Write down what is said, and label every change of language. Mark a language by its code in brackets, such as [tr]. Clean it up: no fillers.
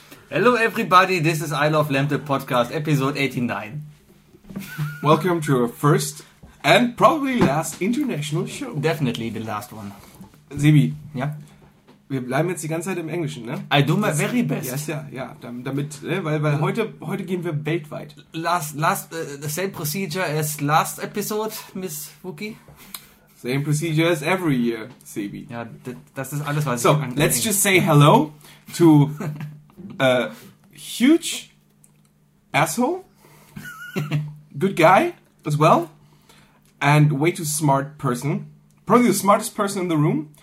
[en] Hello everybody, this is Isle of Lamp, the podcast, episode 89. Welcome to our first and probably last international show. Definitely the last one. Sebi. Ja? [de] Wir bleiben jetzt die ganze Zeit im Englischen, ne? [en] I do my very best. [de] Yes, ja, ja, damit, weil heute gehen wir weltweit. [en] The same procedure as last episode, Miss Wookie. Same procedure as every year, Sebi. [de] Ja, das ist alles, was [en] so, ich... So, let's just say hello to... A huge asshole, good guy as well, and way too smart person, probably the smartest person in the room.